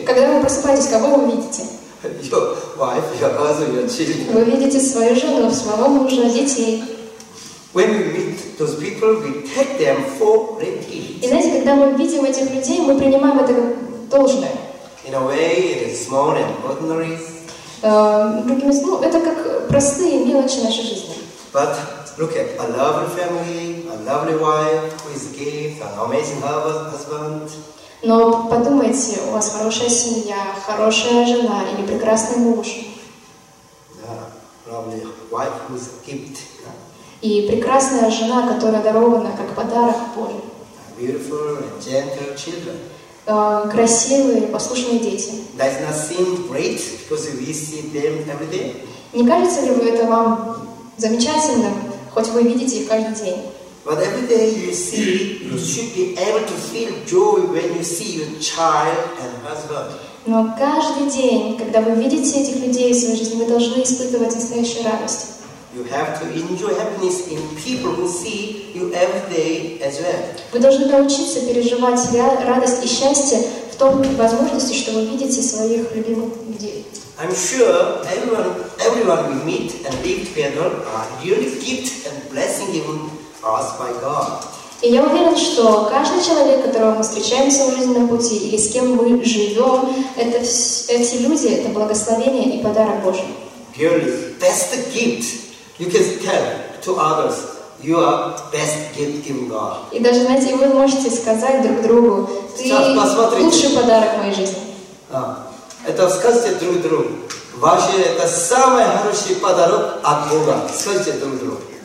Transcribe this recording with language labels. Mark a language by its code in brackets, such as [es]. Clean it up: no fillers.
[ru] Когда вы просыпаетесь, кого вы видите? [en] Your wife, your husband, your children. [ru] Вы видите свою жену, своего мужа, детей. [en] When we meet those people, we take them for granted. [ru] И знаете, когда мы видим этих людей, мы принимаем это как должное. [en] In a way, it is small and ordinary. [ru] Это как простые мелочи нашей жизни. [en] But look at a lovely family, a lovely wife who is gifted, an amazing husband. [ru] Но подумайте, у вас хорошая семья, хорошая жена или прекрасный муж. [en] Yeah, lovely wife who is gifted. [ru] И прекрасная жена, которая дарована как подарок Божий. [en] Beautiful and gentle children. [ru] Красивые, послушные дети. [en] Does not seem great because we see them every day. [ru] Не кажется ли это вам замечательным, хоть вы видите их каждый день? [en] But every day you see, you should be able to feel joy when you see your child and husband. [ru] Но каждый день, когда вы видите этих людей в своей жизни, вы должны испытывать настоящую радость. [en] You have to enjoy happiness in people who see you every day as well. [ru] Вы должны научиться переживать радость и счастье в том возможности, что вы видите своих любимых людей. [en] I'm sure everyone we meet and live together are really gifted and blessing given us by God. [ru] И я уверен, что каждый человек, которого мы встречаемся в жизненном пути или с кем мы живем, эти люди — это благословение и подарок Божий. [en] Really, that's the gift. You can tell to others you are best gift given God. [ru] И даже, знаете, вы можете сказать друг другу: ты лучший подарок моей жизни. Это скажите друг другу. Ваше это самый хороший подарок от Бога. Скажите друг другу.